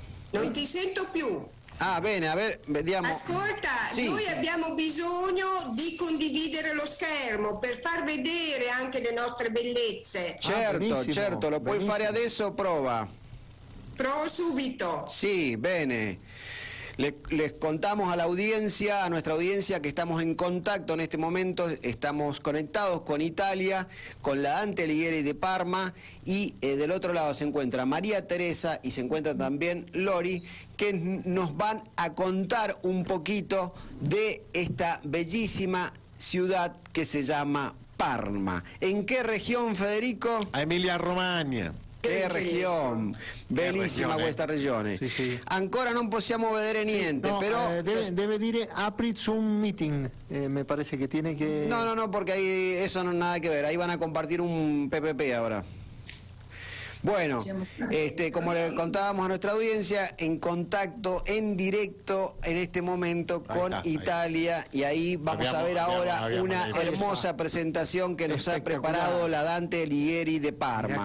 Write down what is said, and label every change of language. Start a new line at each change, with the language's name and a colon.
Italian: Non ti sento più. Ah, bene,
Spanish: a ver,
Italian: vediamo. Ascolta, sì. Noi abbiamo bisogno di condividere lo schermo per far vedere anche le nostre bellezze. Certo, ah, certo, lo puoi fare adesso, prova. Provo subito. Sí, bene.
Spanish: Les contamos a la audiencia, a nuestra audiencia, que estamos en contacto en este momento, estamos conectados con Italia, con la Dante Alighieri de Parma, y del otro lado se encuentra María Teresa y se encuentra también Lori, que nos van a contar un poquito de esta bellísima ciudad que se llama Parma. ¿En qué región, Federico?
Italian: A Emilia Romagna. Che regione, bellissima questa regione. Sì, sì. Ancora non possiamo vedere niente, sì, no, però deve dire apri Zoom meeting, mi pare che tiene che...
Spanish: No, perché ahí eso no ha nada que ver, ahí van a compartir un PPP ahora. Bueno, como le contábamos a nuestra audiencia, en contacto, en directo, en este momento con Italia, y ahí vamos a ver ahora una hermosa presentación que nos ha preparado la Dante Alighieri de Parma.